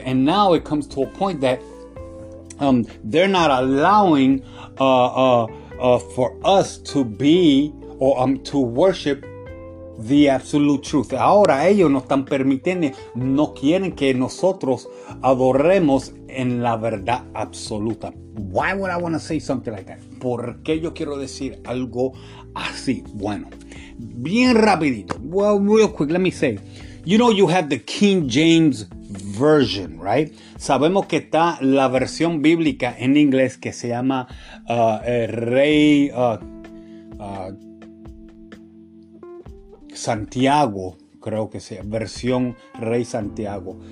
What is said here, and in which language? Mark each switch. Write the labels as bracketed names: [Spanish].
[English] And now it comes to a point that they're not allowing for us to be or to worship the absolute truth. [Spanish] Ahora ellos no están permitiendo, no quieren que nosotros adoremos en la verdad absoluta. [English] Why would I want to say something like that? [Spanish] ¿Por qué yo quiero decir algo así? Bueno, bien rapidito. [English] Well, real quick, let me say. You know, you have the King James Version, right? [Spanish] Sabemos que está la versión bíblica en inglés que se llama Rey Santiago, creo que sea, versión Rey Santiago.